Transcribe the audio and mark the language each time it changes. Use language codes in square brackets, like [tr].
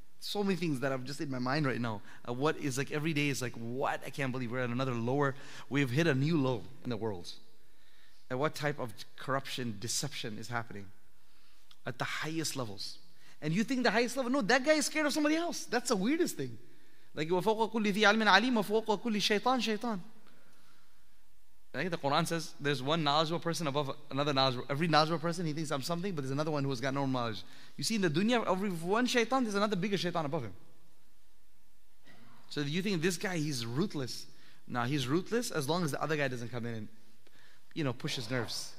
[en] So many things that I've just in my mind right now. What is like every day is like, what? I can't believe we're at another lower. We've hit a new low in the world. And what type of corruption, deception is happening at the highest levels? And you think the highest level? No, that guy is scared of somebody else. That's the weirdest thing. Like, [ar] وَفَوْقَ كُلِّ ذِي عَلْمٍ عَلِيمٍ وَفَوْقَ كُلِّ شَيْطَانٍ شَيْطَانٍ. [en] I think the Quran says there's one knowledgeable person above another knowledgeable. Every knowledgeable person, he thinks I'm something, but there's another one who has got no knowledge. You see, in the dunya, every one shaitan, there's another bigger shaitan above him. So you think this guy, he's ruthless. Nah, he's ruthless as long as the other guy doesn't come in and, you know, push his nerves.